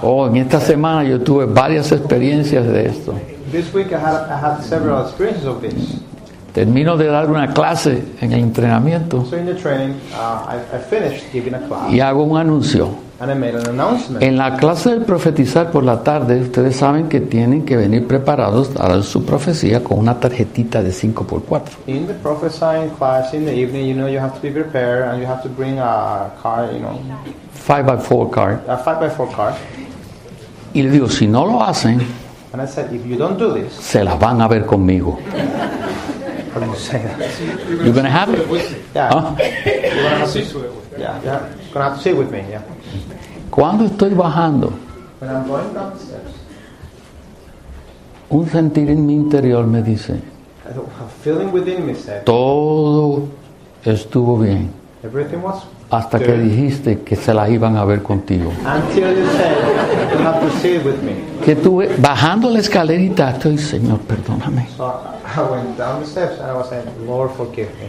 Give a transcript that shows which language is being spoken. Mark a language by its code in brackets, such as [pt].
[es] Oh, en esta semana yo tuve varias experiencias de esto. [en] This week I had several experiences of this. [es] Termino de dar una clase en el entrenamiento. [en] So in the training, I finished giving a class. [es] Y hago un anuncio. [en] And I made an announcement. [es] En la clase del profetizar por la tarde, ustedes saben que tienen que venir preparados a dar su profecía con una tarjetita de 5x4. [en] In the prophesying class in the evening, you know you have to be prepared and you have to bring a card, you know. 5x4 card. A 5x4 card. [es] Y le digo, si no lo hacen, [en] and I said, if you don't do this, [es] se las van a ver conmigo. [en] How do you say that? You're gonna have it. Yeah. You're gonna have to sit with me. Yeah. Yeah. You're gonna have to sit with me. Yeah. [es] Cuando estoy bajando, [en] when I'm going downstairs, [es] un sentir en mi interior me dice, [en] a feeling within me said, [es] todo estuvo bien. [en] Everything was [es] hasta [en] good. [es] Que dijiste que se las iban a ver contigo. [en] Until you said, you're gonna have to sit with me. [es] Que tuve bajando la escalerita, estoy, Señor, perdóname. [en] So I went down the steps and I was saying, Lord, forgive me.